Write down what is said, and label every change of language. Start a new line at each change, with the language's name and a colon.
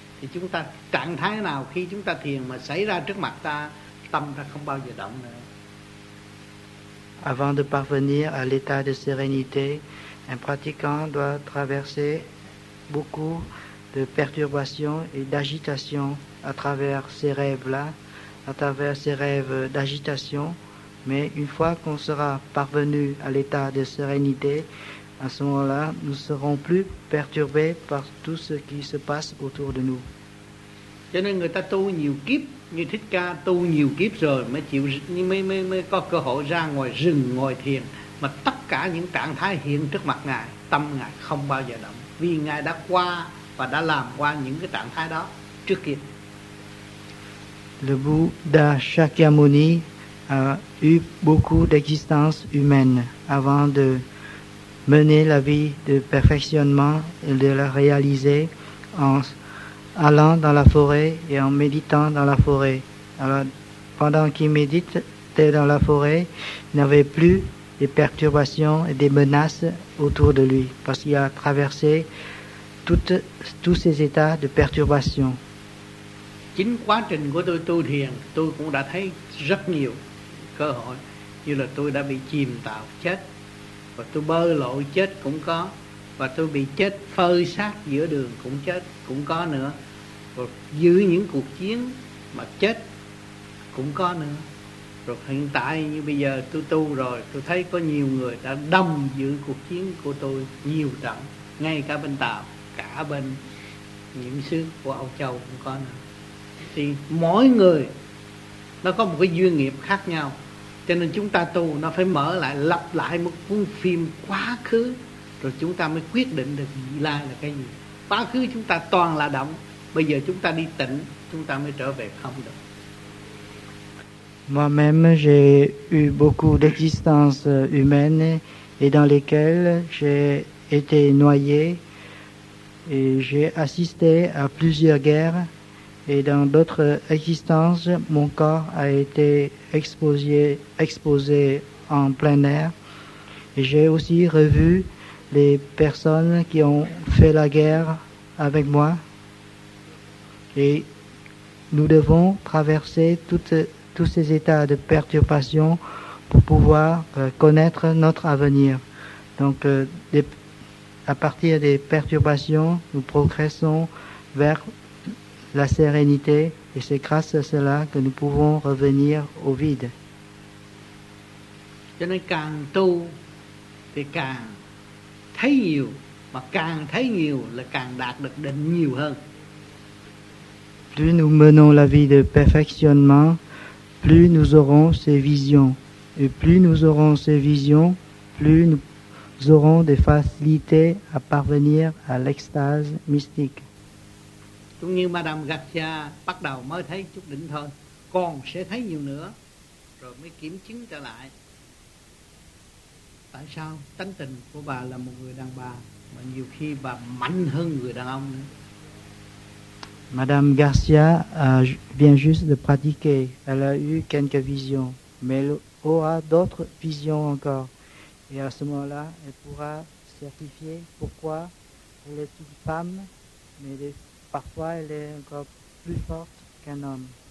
Vietnamese: Thì chúng ta trạng thái nào khi chúng ta thiền mà xảy ra trước mặt ta, tâm ta không bao giờ động nữa.
French: Avant de parvenir à l'état de sérénité, un pratiquant doit traverser beaucoup de perturbations et d'agitations à travers ces rêves-là, à travers ces rêves d'agitation. Mais une fois qu'on sera parvenu à l'état de sérénité, à ce moment-là, nous ne serons plus perturbés par tout ce qui se passe autour de nous.
Vietnamese: Cho nên người ta tu nhiều kiếp, như Thích Ca tu nhiều kiếp rồi mới chịu, mới có cơ hội ra ngoài rừng ngồi thiền, mà tất cả những trạng thái hiện trước mặt ngài, tâm ngài không bao giờ động, vì ngài đã qua và đã làm qua những cái trạng thái đó trước kia.
French: Le Bouddha Shakyamuni a eu beaucoup d'existences humaines avant de mener la vie de perfectionnement et de la réaliser en allant dans la forêt et en méditant dans la forêt. Alors, pendant qu'il méditait dans la forêt, il n'avait plus des perturbations et des menaces autour de lui, parce qu'il a traversé tous ces états de perturbation.
Vietnamese: Chính quá trình của tôi tu thiền, tôi cũng đã thấy rất nhiều cơ hội, như là tôi đã bị chìm tàu chết. Và tôi bơ lội chết cũng có, và tôi bị chết phơi xác giữa đường cũng chết cũng có nữa, rồi giữa những cuộc chiến mà chết cũng có nữa. Rồi hiện tại như bây giờ tôi tu rồi, tôi thấy có nhiều người đã đâm giữa cuộc chiến của tôi nhiều trận, ngay cả bên Tàu, cả bên những xứ của Âu Châu cũng có nữa. Thì mỗi người nó có một cái duyên nghiệp khác nhau. Cho nên chúng ta tu nó phải mở lại, lặp lại một cuốn phim quá khứ, rồi chúng ta mới quyết định được vị lai là cái gì. Quá khứ chúng ta toàn là động, bây giờ chúng ta đi tỉnh, chúng ta mới trở về không được.
French: Moi-même, j'ai eu beaucoup d'existences humaines et dans lesquelles j'ai été noyé et j'ai assisté à plusieurs guerres. Et dans d'autres existences, mon corps a été exposé en plein air. Et j'ai aussi revu les personnes qui ont fait la guerre avec moi. Et nous devons traverser tous ces états de perturbation pour pouvoir connaître notre avenir. Donc, à partir des perturbations, nous progressons vers la sérénité, et c'est grâce à cela que nous pouvons revenir au vide.
Vietnamese: Cho nên càng tu thì càng thấy nhiều, mà càng thấy nhiều là càng đạt được định nhiều hơn.
French: plus nous menons la vie de perfectionnement, plus nous aurons ces visions. Et plus nous aurons ces visions, plus nous aurons des facilités à parvenir à l'extase mystique.
Vietnamese: Cũng như Madame Garcia bắt đầu mới thấy chút đỉnh thôi, con sẽ thấy nhiều nữa, rồi mới kiểm chứng trở lại. Tại sao tánh tình của bà là một người đàn bà, mà nhiều khi bà mạnh hơn người đàn ông nữa?
French: Madame Garcia vient juste de pratiquer. Elle a eu quelques visions, mais elle aura d'autres visions encore. Et à ce moment-là, elle pourra certifier pourquoi elle est une femme, mais parfois elle est encore plus forte qu'un homme.